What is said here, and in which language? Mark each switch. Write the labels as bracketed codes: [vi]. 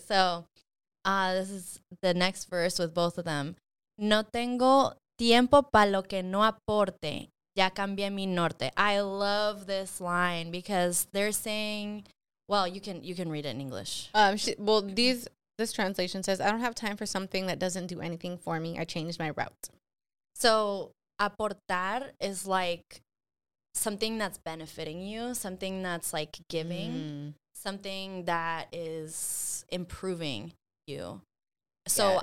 [en] So this is the next verse with both of them. [es] No tengo tiempo para lo que no aporte. Ya cambié mi norte. [en] I love this line because they're saying, well, you can read it in English. This translation says, I don't have time for something that doesn't do anything for me. I changed my route. So aportar is like something that's benefiting you, something that's like giving, something that is improving you. So yes.